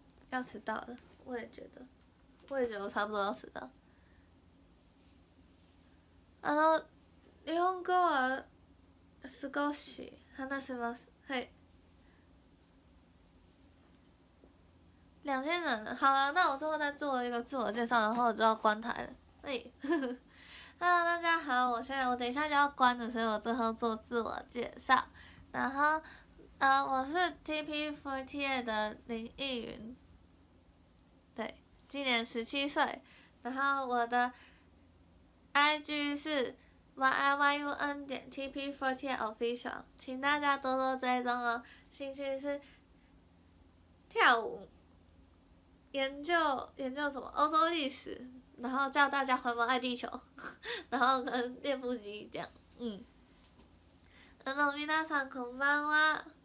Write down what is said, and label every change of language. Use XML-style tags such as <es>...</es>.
<zh>要迟到了，我也觉得，我也觉得我差不多要迟到。</zh> <ja>あの、日本語は少し話せます。はい。</ja> <zh>两千人了，好了，那我最后再做一个自我介绍，然后我就要关台了。嘿，Hello， 大家好，我等一下就要关了，所以我最后做自我介绍。然后，我是 TP48的林逸云。今年十七岁，然后我的 IG 是 yyun.tp48official， 请大家多多追踪哦。兴趣是跳舞，研究什么欧洲历史，然后叫大家环保爱地球，然后跟练腹肌这样。</zh> <ja>Hello， 皆さんこんばんは。</ja>